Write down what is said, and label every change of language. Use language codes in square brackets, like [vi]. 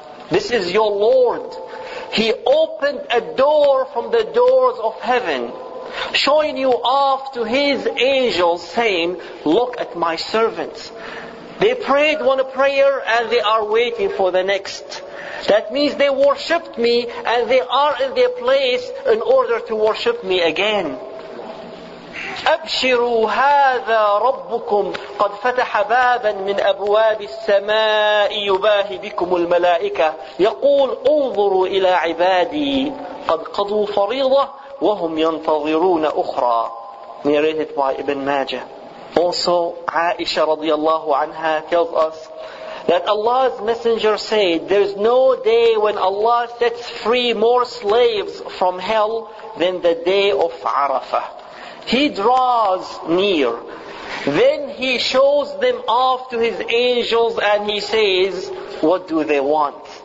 [en] This is your Lord. He opened a door from the doors of heaven, showing you off to his angels, saying, look at my servants.'" They prayed one prayer and they are waiting for the next. That means they worshipped me and they are in their place in order to worship me again. [ar] أَبْشِرُوا هَذَا رَبُّكُمْ قَدْ فَتَحَ بَابًا مِنْ أَبْوَابِ السَّمَاءِ يُبَاهِ بِكُمُ الْمَلَائِكَةِ يَقُولُ انظروا إلى عبادي قد قضوا فريضة وهم ينتظرون أخرى. [en] Narrated by Ibn Majah. Also Aisha radiallahu anha tells us that Allah's Messenger said, "There is no day when Allah sets free more slaves from hell than the day of Arafah. He draws near. Then he shows them off to his angels and he says, what do they want?"